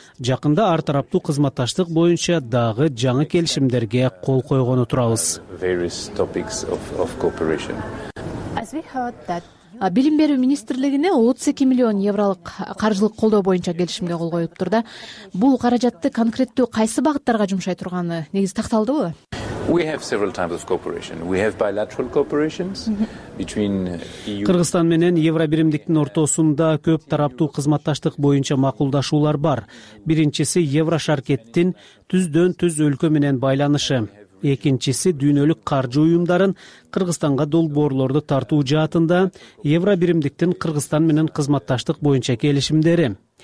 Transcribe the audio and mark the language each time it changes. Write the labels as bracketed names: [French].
[Kyrgyz] Жакында ар тараптуу кызматташтык боюнча дагы жаңы келишимдерге кол койгону турабыз. Билим берүү министрлигине 32 миллион евролук каржылык колдоо боюнча келишимге кол коюптур да. Бул каражатты конкреттүү кайсы багыттарга жумшай турганы негизи такталдыбы? [English] We have several types of cooperation. We have bilateral cooperation between EU. [Kyrgyz] Кыргызстан менен Евро биримдиктин ортосунда көп тараптуу кызматташтык боюнча макулдашуулар бар. Биринчиси Евро шаркеттин түздөн түз өлкө менен байланышы. Экинчиси дүйнөлүк каржы уюмдарын Кыргызстанга долбоорлорду тартуу жаатында Евро биримдиктин Кыргызстан менен кызматташтык боюнча келишимдери.